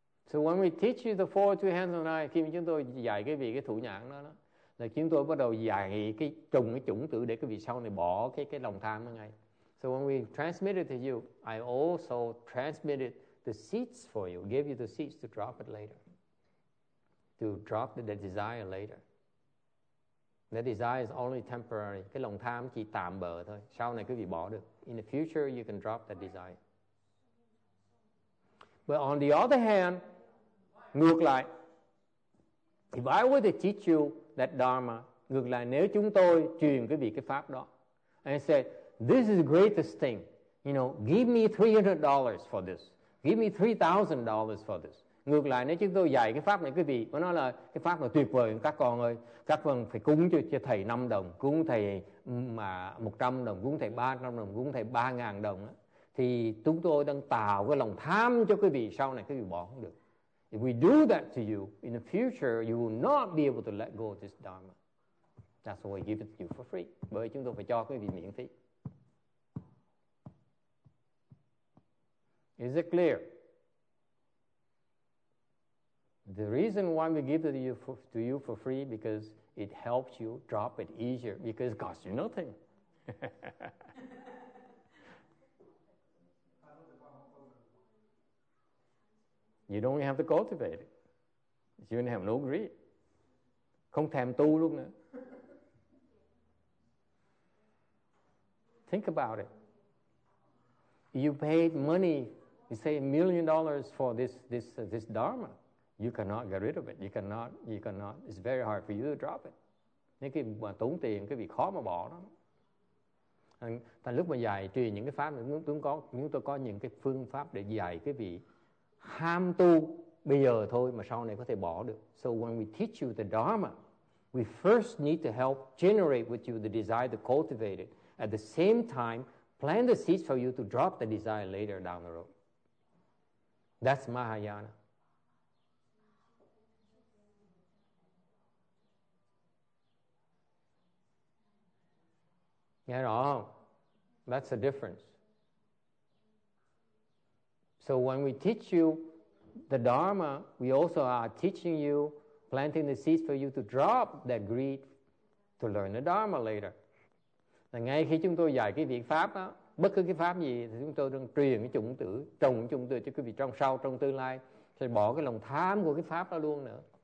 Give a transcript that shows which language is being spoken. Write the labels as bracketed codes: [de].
[en] So when we teach you the 42 hands and eye, [vi] khi chúng tôi dạy cái vị cái thủ nhãn đó, là chúng tôi bắt đầu dạy cái chủng tử để cái vị sau này bỏ cái lòng tham đó ngay. [en] So when we transmit it to you, I also transmitted the seeds for you, gave you the seeds to drop it later, to drop the desire later. The desire is only temporary. [vi] Cái lòng tham chỉ tạm bợ thôi. Sau này cái vị bỏ được. [en] In the future, you can drop that desire. But on the other hand, [vi] ngược lại, [en] if I were to teach you that dharma, [vi] ngược lại, nếu chúng tôi truyền quý vị cái pháp đó, [en] and I said, this is the greatest thing, you know, give me $300 for this, give me $3,000 for this. [vi] Ngược lại, nếu chúng tôi dạy cái pháp này quý vị, nó nói là cái pháp là tuyệt vời, các con ơi, các con phải cúng cho thầy 5 đồng, cúng thầy 100 đồng, cúng thầy 300 đồng, cúng thầy 3,000 đồng á. Thì chúng tôi đang tạo cái lòng tham cho quý vị, sau này quý vị bỏ không được. [en] If we do that to you, in the future, you will not be able to let go of this dharma. That's why we give it to you for free. [vi] Bởi chúng tôi phải cho quý vị miễn phí. [en] Is it clear? The reason why we give it to you for free, because it helps you drop it easier, because it costs you nothing. You don't have to cultivate it. You don't have no greed. [vi] Không thèm tu luôn nữa. [en] Think about it. You paid money, you say $1,000,000 for this dharma. You cannot get rid of it. You cannot. It's very hard for you to drop it. [vi] Nếu khi mà tốn tiền, cái việc khó mà bỏ nó. Thành lúc mà dạy truyền những cái pháp, chúng tôi có những cái phương pháp để dạy cái vị ham tu bây giờ thôi mà sau này có thể bỏ được. [en] So when we teach you the dharma, we first need to help generate with you the desire to cultivate it. At the same time, plant the seeds for you to drop the desire later down the road. That's Mahayana. At all. That's the difference. So when we teach you the Dharma, we also are teaching you, planting the seeds for you to drop that greed to learn the Dharma later. [vi] Là ngay khi chúng tôi dạy cái việc pháp đó, bất cứ cái pháp gì thì chúng tôi đang truyền cái chủng tử, trồng cái chủng tử cho quý vị trong sau, trong tương lai, sẽ bỏ cái lòng tham của cái pháp đó luôn nữa.